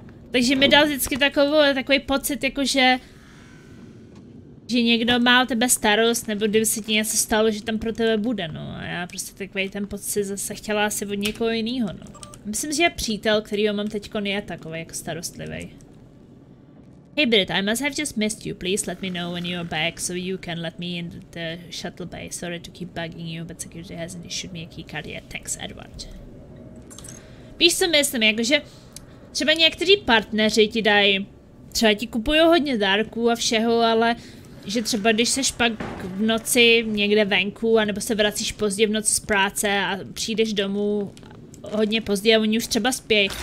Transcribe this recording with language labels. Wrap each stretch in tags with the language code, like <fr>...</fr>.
<cs>Takže mi dal vždycky takový pocit, jakože že někdo má o tebe starost, nebo kdyby se ti něco stalo, že tam pro tebe bude, no. A já prostě takový ten pocit zase chtěla asi od někoho jiného, no. Myslím, že přítel, kterýho mám teďko, je takový jako starostlivý.</cs> <en>Hey Brit, I must have just missed you. Please let me know when you're back, so you can let me in the shuttle bay. Sorry to keep bugging you, but security hasn't issued me a keycard yet. Thanks, Edward.</en> <cs>Víš, co myslím, jakože třeba někteří partneři ti dají, třeba ti kupují hodně dárků a všeho, ale že třeba když seš pak v noci někde venku, anebo se vracíš pozdě v noci z práce a přijdeš domů hodně pozdě a oni už třeba spějí.</cs>